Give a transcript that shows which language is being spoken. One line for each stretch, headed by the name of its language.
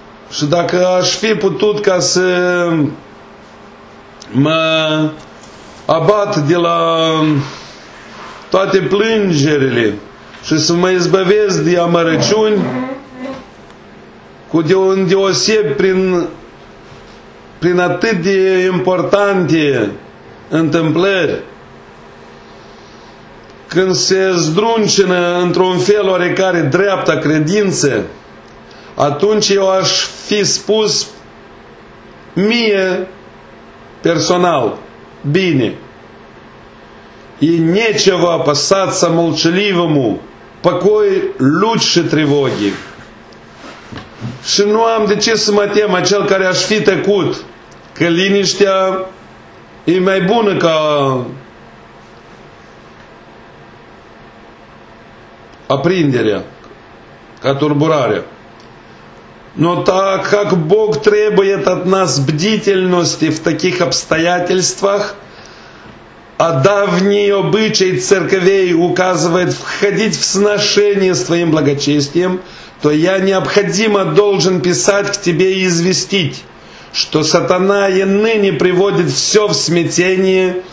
Romanian: și dacă aș fi putut ca să mă abat de la toate plângerile și să mă izbăvesc de amărăciuni, cu de un deoseb prin atât de importante întâmplări, când se zdruncină într-un fel oarecare dreapta credință, atunci eu aș fi spus mie personal, bine,
Russian: и нечего опасаться молчаливому, покой лучше тревоги.
Romanian: Și nu am de ce să mă tem acel care aș fi tăcut, că liniștea e mai bună ca aprinderea, ca turburarea.
Russian: Но так как Бог требует от нас бдительности в таких обстоятельствах, а давний обычай церквей указывает входить в сношение с твоим благочестием, то я необходимо должен писать к тебе и известить, что сатана и ныне приводит все в смятение,